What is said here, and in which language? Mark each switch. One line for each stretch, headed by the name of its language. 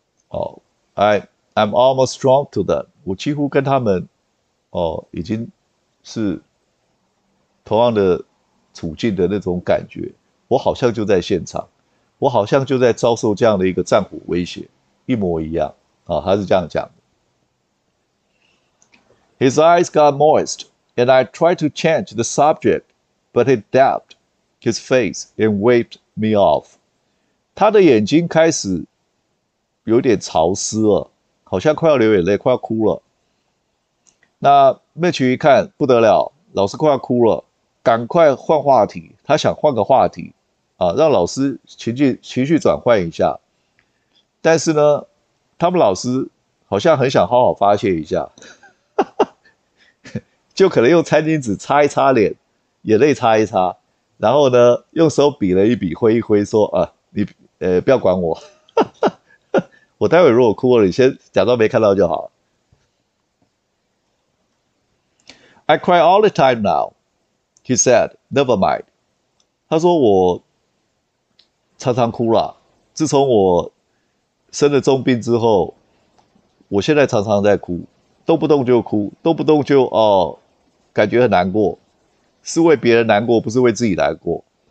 English: 哦，I'm almost strong to them。
Chinese: 我几乎跟他们，哦，已经是同样的处境的那种感觉。我好像就在现场。我好像就在遭受这样的一个战火威胁，一模一样啊！他是这样讲的。
English: His eyes got moist, and I tried to change the subject, but he dabbed his face and waved me off.
Chinese: 他的眼睛开始有点潮湿了，好像快要流眼泪，快要哭了。那 Mitch 一看不得了，老师快要哭了，赶快换话题，他想换个话题。啊，让老师情绪转换一下，但是呢，他们老师好像很想好好发泄一下，就可能用餐巾纸擦一擦脸，眼泪擦一擦，然后呢，用手比了一比，挥一挥，说啊，你不要管我，我待会如果哭了，你先假装没看到就好。
English: I cry all the time now, he said. Never mind.
Chinese: 他说我。常常哭了。自从我生了重病之后，我现在常常在哭，动不动就哭，动不动就哦，感觉很难过，是为别人难过，不是为自己难过。